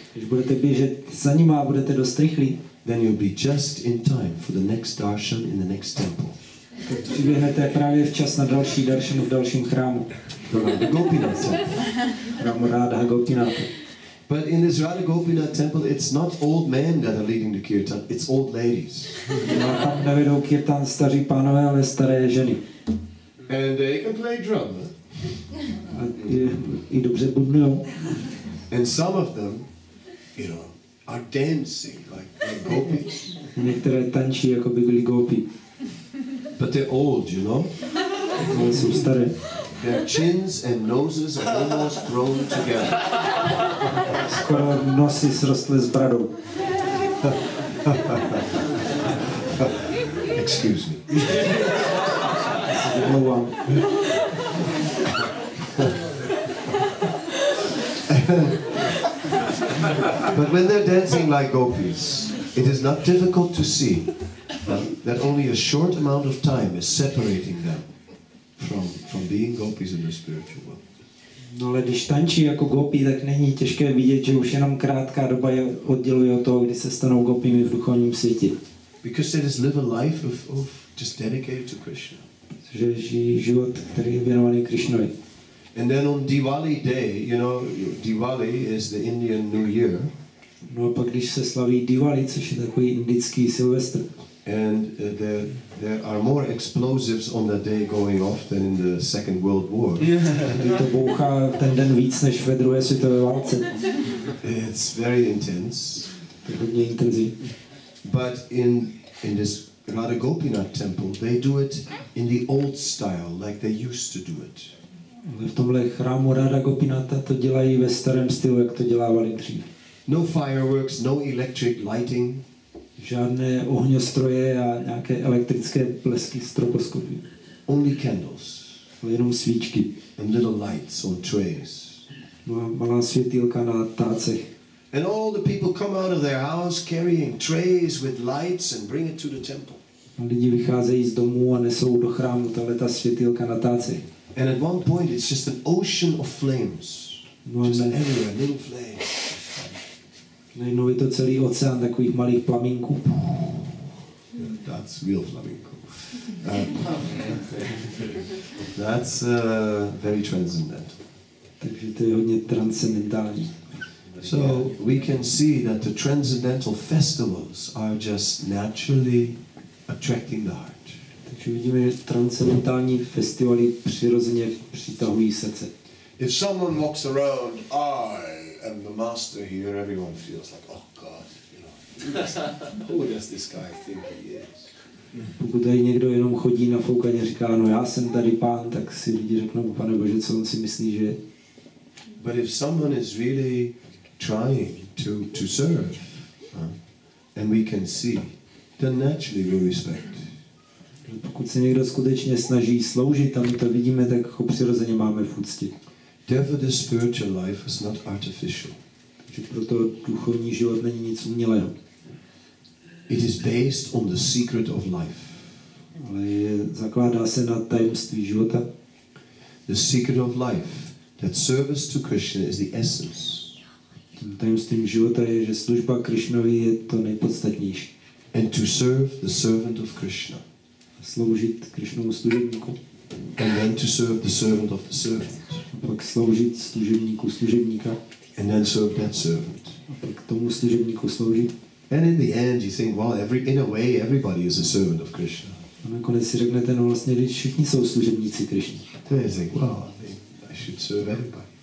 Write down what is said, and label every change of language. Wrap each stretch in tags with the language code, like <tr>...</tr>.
<cs>když budete běžet za ním a budete dost rychlí,</cs> <en>then you'll be just in time for the next darshan in the next temple.</en> <cs>Přiběhnete právě včas na další darshan v dalším chrámu. Radha Gopinath. Radha Gopinath.</cs> <en>But in this Radha Gopinath temple, it's not old men that are leading the kirtan, it's old ladies.</en> <cs>No, tam nevedou kirtan staří pánové, ale staré ženy.</cs> <en>And they can play drum.</en> <cs>A i dobře bubnujou.</cs> <en>And some of them, you know, are dancing like gopis.</en> <cs>Některé tančí, jako by byly gopi.</cs> <en>But they're old, you know.</en> <cs>Oni jsou staré.</cs> <en>Their chins and noses are almost grown together.</en> <cs>Skoro nosy srostly s bradou.</cs> <en>Excuse me. But when they're dancing like gopis, it is not difficult to see that only a short amount of time is separating them from being gopis in the spiritual world.</en> <cs>No, ale když tančí jako gopi, tak není těžké vidět, že už jenom krátká doba je odděluje od toho, kdy se stanou gopimi v duchovním světě.</cs> <en>Because they just live a life of just dedicated to Krishna.</en> <cs>Že žijí život, který je věnovaný Krišnovi.</cs> <en>And then on Diwali day, you know, Diwali is the Indian New Year.</en> <cs>No a pak když se slaví Diwali, což je takový indický Silvestr.</cs> <en>And there are more explosives on that day going off than in the Second World War.</en> <cs>To bouchá ten den víc než ve druhé světové válce.</cs> <en>It's very intense.</en> <cs>To je hodně intenzivní.</cs> <en>But in this Radha Gopinath temple, they do it in the old style, like they used to do it.</en> <cs>V tomhle chrámu Radha Gopinatha to dělají ve starém stylu, jak to dělávali dřív.</cs> <en>No fireworks, no electric lighting.</en> <cs>Žádné ohňostroje a nějaké elektrické blesky stroboskopy.</cs> <en>Only candles.</en> <cs>Jenom svíčky.</cs> <en>And little lights on trays.</en> <cs>No a malá světýlka na tácech.</cs> <en>And all the people come out of their house carrying trays with lights and bring it to the temple.</en> <cs>A lidi vycházejí z domu a nesou do chrámu tahle ta světýlka na tácech.</cs> <en>And at one point it's just an ocean of flames. No just everywhere, little flames.</en> <cs>Najednou je to celý oceán takových malých plamínků.</cs> <en>Yeah, that's real flamenco. That's very transcendental.</en> <cs>Takže to je hodně transcendentální.</cs> <en>So we can see that the transcendental festivals are just naturally attracting the heart.</en> <cs>Takže vidíme, že transcendentální festivaly přirozeně přitahují srdce.</cs> <en>If someone walks around, I'm the master here, everyone feels like, oh God, you know, who does this guy think he is?</en> <cs>Pokud tady někdo jenom chodí na foukaně a říká, no já jsem tady pán, tak si lidi řeknou, pane Bože, co on si myslí, že...</cs> <en>But if someone is really trying to serve, and we can see, then naturally we respect.</en> <cs>Pokud se někdo skutečně snaží sloužit a my to vidíme, tak ho přirozeně máme v úctě.</cs> <en>Therefore, the spiritual life is not artificial.</en> <cs>Takže proto duchovní život není nic umělého.</cs> <en>It is based on the secret of life.</en> <cs>Ale zakládá se na tajemství života.</cs> <en>The secret of life, that service to Krishna is the essence.</en> <cs>Tím tajemstvím života je, že služba Krišnovi je to nejpodstatnější.</cs> <en>And to serve the servant of Krishna.</en> <cs>A sloužit Krišnovu služebníku.</cs> <en>And then to serve the servant of the servant.</en> <cs>A pak sloužit služebníku služebníka.</cs> <en>And then serve that servant.</en> <cs>A pak tomu služebníku sloužit.</cs> <en>And in the end you think, well, in a way everybody is a servant of Krishna.</en> <cs>A nakonec si řeknete, no vlastně všichni jsou služebníci Krišny.</cs> <en>Then you think, well, I should serve everybody.</en>